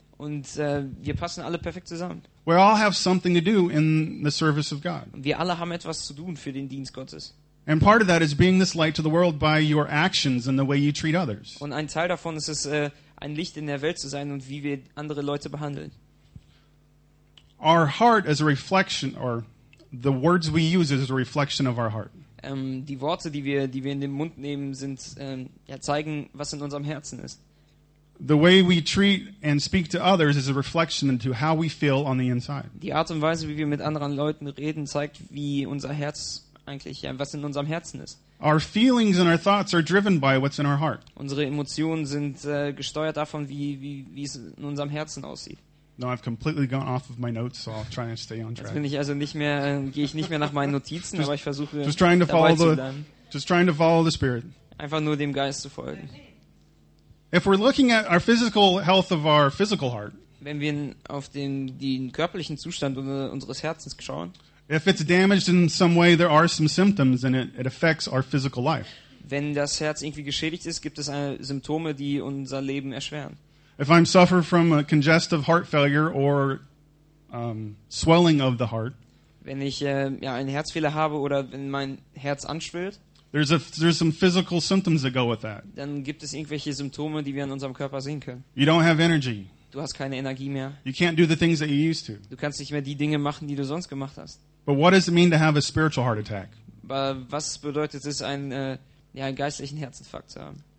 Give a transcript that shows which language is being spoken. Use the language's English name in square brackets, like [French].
[German] Und wir passen alle perfekt zusammen. [English] We all have something to do in the service of God. [German] Wir alle haben etwas zu tun für den Dienst Gottes. [English] And part of that is being this light to the world by your actions and the way you treat others. [German] Und ein Teil davon ist es, ein Licht in der Welt zu sein und wie wir andere Leute behandeln. [English] Our heart is a reflection, or the words we use is a reflection of our heart. [German] Die Worte, die wir in den Mund nehmen, sind zeigen, was in unserem Herzen ist. [English] The way we treat and speak to others is a reflection into how we feel on the inside. [German] Die Art und Weise, wie wir mit anderen Leuten reden, zeigt, wie unser Herz eigentlich was in unserem Herzen ist. [English] Our feelings and our thoughts are driven by what's in our heart. [German] Unsere Emotionen sind gesteuert davon, wie es in unserem Herzen aussieht. [English] No, I've completely gone off of my notes, so I'll try and stay on track. [German] Jetzt bin ich also nicht mehr gehe ich nicht mehr nach meinen Notizen, aber ich versuche [English] just trying to follow the just trying to follow the spirit. [German] Einfach nur dem Geist zu folgen. [English] If we're looking at our physical health of our physical heart, [German] wenn wir auf den körperlichen Zustand unseres Herzens schauen, [English] if it's damaged in some way, there are some symptoms and it affects our physical life. [German] Wenn das Herz irgendwie geschädigt ist, gibt es Symptome, die unser Leben erschweren. [English] If I'm suffer from a congestive heart failure or swelling of the heart, [German] wenn ich einen Herzfehler habe oder wenn mein Herz anschwillt, [English] there's some physical symptoms that go with that. [German] Dann gibt es irgendwelche Symptome, die wir an unserem Körper sehen können. [English] You don't have energy. [German] Du hast keine Energie mehr. [English] You can't do the things that you used to. [German] Du kannst nicht mehr die Dinge machen, die du sonst gemacht hast. [English] But what does it mean to have a spiritual heart attack? [German] Was bedeutet es, einen geistlichen Herzinfarkt zu haben?